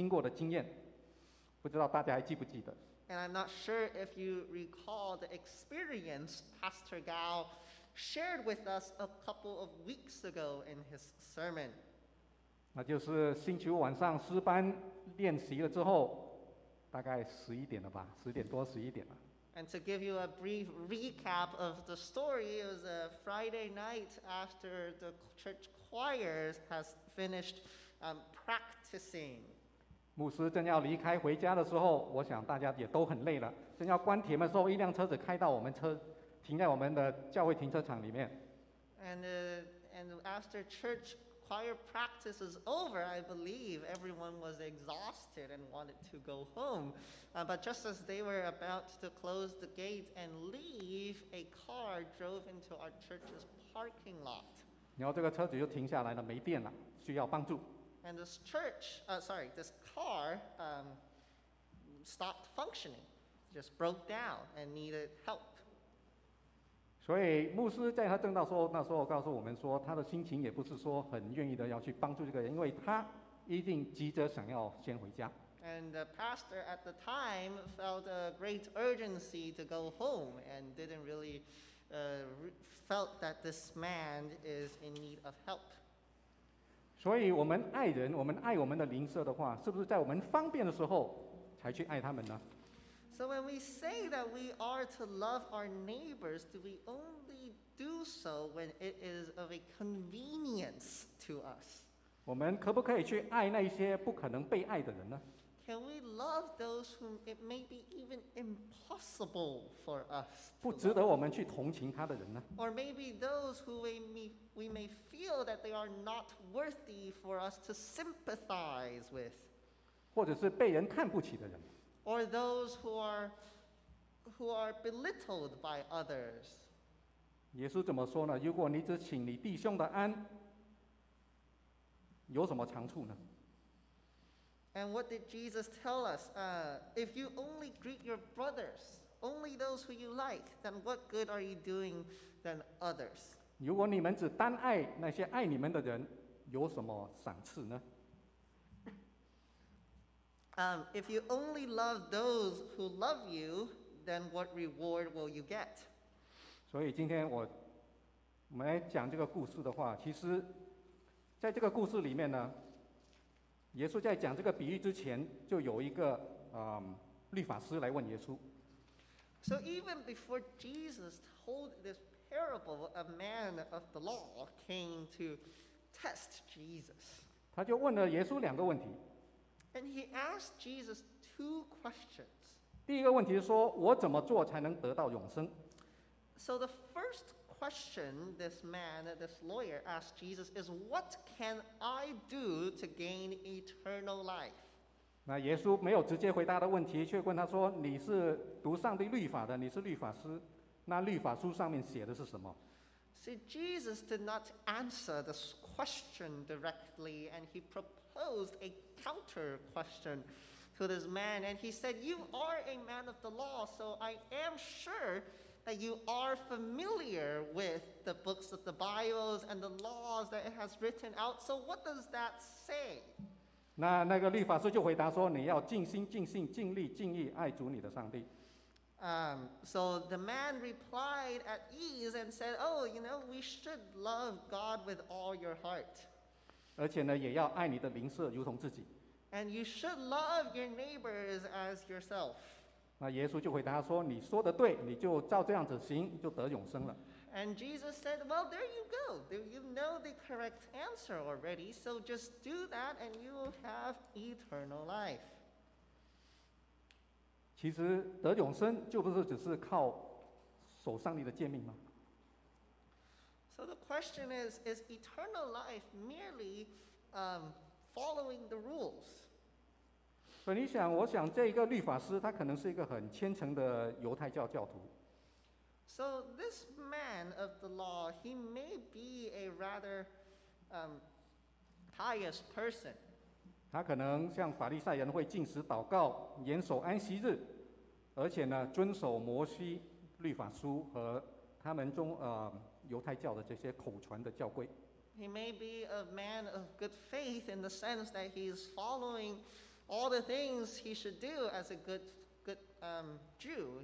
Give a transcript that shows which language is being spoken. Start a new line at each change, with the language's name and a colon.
Chinese: 就好像高牧师在两个礼拜前他证道的时候告诉我们他其中一个他所经过的经验，不知道大家还记不记得。And
English: I'm not sure if you recall the experience Pastor Gao shared with us a couple of weeks ago in his sermon.
Chinese: 那就是星期五晚上诗班练习了之后，大概十一点了吧，十点多十一点了。
English: And to give you a brief recap of the story, it was a Friday night after the church choir has finished practicing.
Chinese: 牧师正要离开回家的时候，我想大家也都很累了。正要关铁门的时候，一辆车子开到我们车，停在我们的教会停车场里面。
English: And after church choir practice was over, I believe everyone was exhausted and wanted to go home. But just as they were about to close the gate and leave, a car drove into our church's parking lot.
Chinese: 然后这个车子就停下来了，没电了，需要帮助。
English: And this church, this car stopped functioning, just broke down and needed help.
Chinese: 所以牧师在他正道说那时候告诉我们说他的心情也不是说很愿意的要去帮助这个人因为他一定急着想要先回家
English: and the pastor at the time felt a great urgency to go home and didn't really felt that this man is in need of help
Chinese: 所以我们爱人我们爱我们的邻舍的话是不是在我们方便的时候才去爱他们呢
English: So when we say that we are to love our neighbors, do we only do so when it is of a convenience to us?
Chinese: 我们可不可以去爱那些不可能被爱的人呢?
English: Can we love those whom it may be even impossible for us to love?
Chinese: 不值得我们去同情他的人呢?
English: Or maybe those who we may feel that they are not worthy for us to sympathize with.
Chinese: 或者是被人看不起的人。
English: Or those who are belittled by others.
Chinese: 耶稣怎么说呢？如果你只请你弟兄的安，有什么长处呢？
English: And what did Jesus tell us? If you only greet your brothers, only those who you like, then what good are you doing than others?
Chinese: 如果你们只单爱那些爱你们的人，有什么赏赐呢？
English: If you only love those who love you, then what reward will you get?
Chinese: 所以今天我们来讲这个故事的话，其实在这个故事里面呢，耶稣在讲这个比喻之前，就有一个律法师来问耶稣。
English: So even before Jesus told this parable, a man of the law came to test Jesus.
Chinese: 他就问了耶稣两个问题。
English: And he asked Jesus two questions.
Chinese: 第一个问题是说，我怎么做才能得到永生？
English: So the first question this man, this lawyer asked Jesus is, what can I do to gain eternal life?
Chinese: 那耶稣没有直接回答的问题，却问他说，你是读上帝律法的，你是律法师，那律法书上面写的是什么？
English: See, Jesus did not answer this question directly, and he proposed a counter question to this man and he said you are a man of the law so I am sure that you are familiar with the books of the Bibles and the laws that it has written out so what does that say
Chinese: 那个律法师就回答说你要尽心尽性尽力尽意爱主你的上帝
English: So the man replied at ease and said oh you know we should love God with all your heart
Chinese: 而且呢，也要爱你的邻舍如同自己。
English: And you should love your neighbors as yourself.
Chinese: 那耶稣就回答说：“你说的对，你就照这样子行，就得永生了。”
English: And Jesus said, "Well, there you go. You know the correct answer already. So just do that, and you will have eternal life."
Chinese: 其实得永生就不是只是靠守上帝的诫命吗？
English: So the question is eternal life merely following the rules?
Chinese: 所以你想，我想这个律法师他可能是一个很虔诚的犹太教教徒。
English: So this man of the law, he may be a rather pious person.
Chinese: 他可能像法利赛人会禁食祷告，严守安息日，而且呢遵守摩西律法书和他们中犹太教的这些口传的教规。
English: He may be a man of good faith in the sense that he is following all the things he should do as a good Jew.